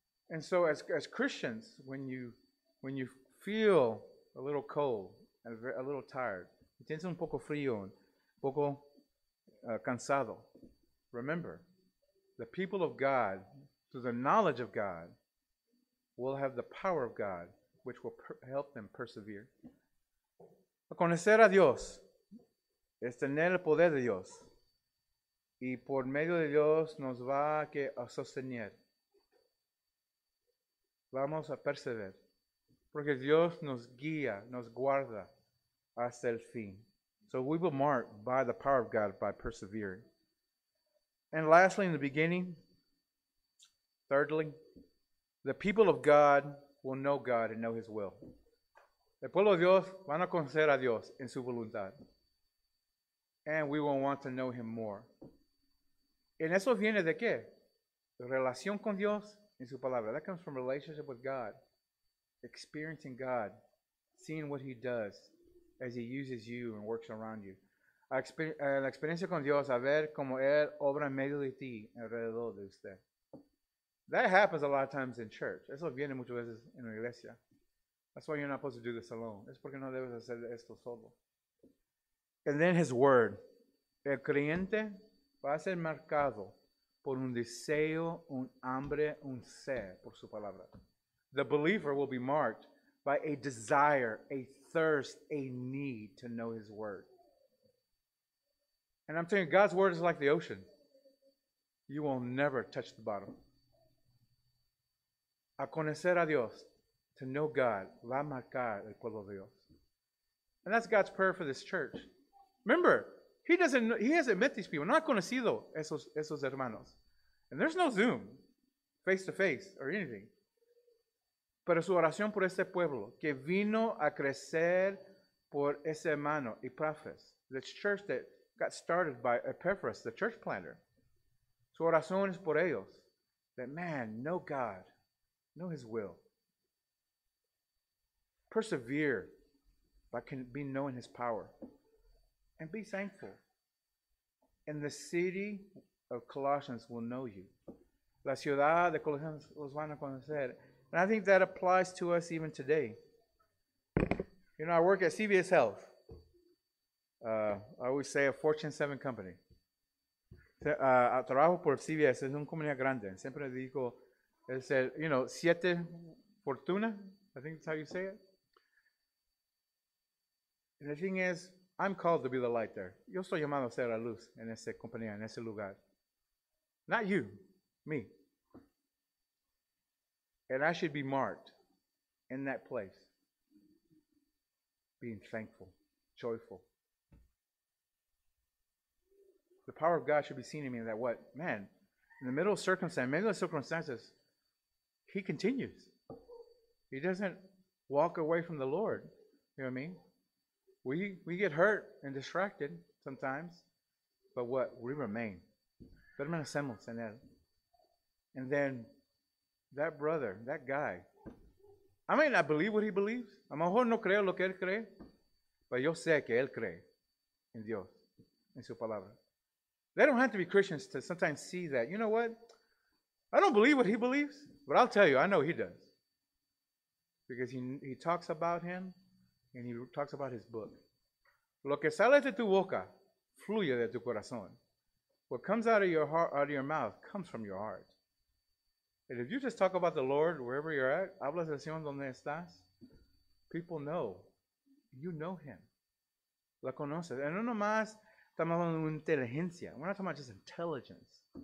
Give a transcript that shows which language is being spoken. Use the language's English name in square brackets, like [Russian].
[English] And so as Christians, when you feel a little cold, a little tired, [Spanish] tienes un poco frío, un poco cansado, [English] remember, the people of God, through the knowledge of God, will have the power of God, which will help them persevere. [Spanish] A conocer a Dios es tener el poder de Dios. Y por medio de Dios nos va a sostener. Vamos a perseverar. Porque Dios nos guía, nos guarda hasta el fin. [English] So we will mark by the power of God by persevering. And lastly, in the beginning, thirdly, the people of God will know God and know His will. [Spanish] El pueblo de Dios van a conocer a Dios en su voluntad. [English] And we will want to know Him more. [Spanish] ¿En eso viene de qué? Relación con Dios en su palabra. [English] That comes from relationship with God. Experiencing God. Seeing what He does as He uses you and works around you. [Spanish] La experiencia con Dios, a ver cómo Él obra en medio de ti, alrededor de usted. [English] That happens a lot of times in church. [Spanish] Eso viene muchas veces en la iglesia. [English] That's why you're not supposed to do this alone. [Spanish] Es porque no debes hacer esto solo. [English] And then His Word. [Spanish] El creyente va a ser marcado por un deseo, un hambre, un sed por su palabra. [English] The believer will be marked by a desire, a thirst, a need to know His Word. And I'm telling you, God's Word is like the ocean. You will never touch the bottom. [Spanish] A conocer a Dios, [English] to know God, [Spanish] va a marcar el pueblo de Dios. [English] And that's God's prayer for this church. Remember, he hasn't met these people. [Spanish] No ha conocido esos hermanos. [English] And there's no Zoom, face-to-face, or anything. [Spanish] Pero su oración por este pueblo, que vino a crecer por ese hermano, Epaphras, [English] this church that got started by Epaphras, the church planter. [Spanish] Su oración es por ellos. [English] That man, know God. Know His will. Persevere by being knowing His power. And be thankful. And the city of Colossians will know you. [Spanish] La ciudad de Colossians los van a conocer. [English] And I think that applies to us even today. You know, I work at CVS Health. I always say a Fortune 7 company. [Spanish] Trabajo por CVS. Es una compañía grande. Siempre digo, [English] it's a, you know, [Spanish] siete fortuna, [English] I think that's how you say it. And the thing is, I'm called to be the light there. [Spanish] Yo soy llamado a ser la luz en esa compañía, en ese lugar. [English] Not you, me. And I should be marked in that place, being thankful, joyful. The power of God should be seen in me that what, man, in the middle of circumstances, He continues. He doesn't walk away from the Lord. You know what I mean? We get hurt and distracted sometimes, but what? We remain. [Spanish] Permanecemos en él. [English] And then that brother, that guy, I may not believe what he believes. [Spanish] A lo mejor no creo lo que él cree, but yo sé que él cree en Dios, en su palabra. [English] They don't have to be Christians to sometimes see that. You know what? I don't believe what he believes, but I'll tell you, I know he does. Because he talks about him, and he talks about his book. [Spanish] Lo que sale de tu boca, fluye de tu corazón. [English] What comes out of your heart, out of your mouth, comes from your heart. And if you just talk about the Lord wherever you're at, [Spanish] hablas del Señor donde estás, [English] people know. You know him. [Spanish] La conoces. And no nomás estamos hablando de inteligencia. [English] We're not talking about just intelligence.